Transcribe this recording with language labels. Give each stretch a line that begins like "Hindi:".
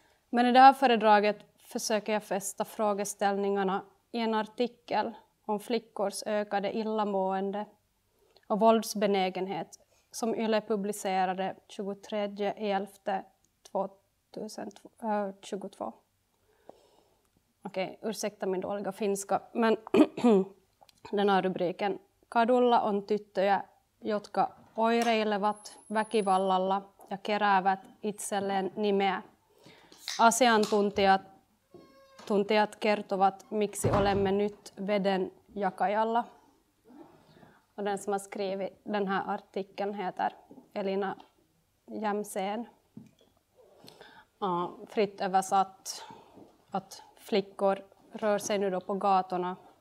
Swedish: Men i det här föredraget försöker jag fästa frågeställningarna i en artikel om flickors ökade illamående och våldsbenägenhet som YLE publicerade 23.11.2022. Okej, ursäkta min dåliga finska, men den här rubriken.
Finnish: Kadulla on tyttöjä, jotka oireilevat väkivallalla ja keräävät itselleen nimeä. Asiantuntijat kertovat, miksi olemme nyt veden jakajalla.
Swedish: Och den som har skrivit den här artikeln heter Elina Jämsén. Fritt översatt att flickor rör sig nu då på gatorna.